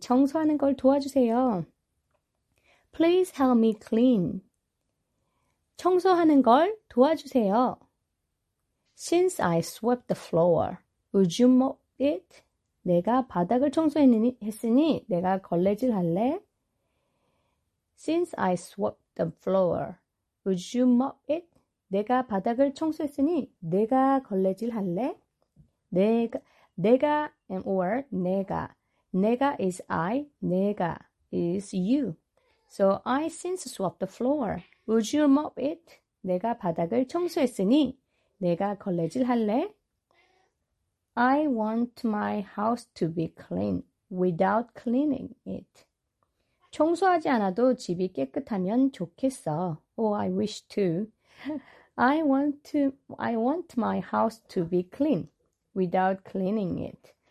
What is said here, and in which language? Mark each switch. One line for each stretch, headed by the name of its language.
Korean: 청소하는 걸 도와주세요.
English: Please help me clean.
Korean: 청소하는 걸 도와주세요.
English: Since I swept the floor, would you mop it?
Korean: 내가 바닥을 청소했으니 내가 걸레질 할래?
English: Since I swept the floor, would you mop it?
Korean: 내가 바닥을 청소했으니 내가 걸레질 할래?
English: 내가 and or 내가. 내가 is I, 내가 is you. So I since swept the floor, would you mop it?
Korean: 내가 바닥을 청소했으니 내가 걸레질 할래?
English: I want my house to be clean without cleaning it.
Korean: 청소하지 않아도 집이 깨끗하면 좋겠어.
English: Oh, I wish to. I want my house to be clean without cleaning it.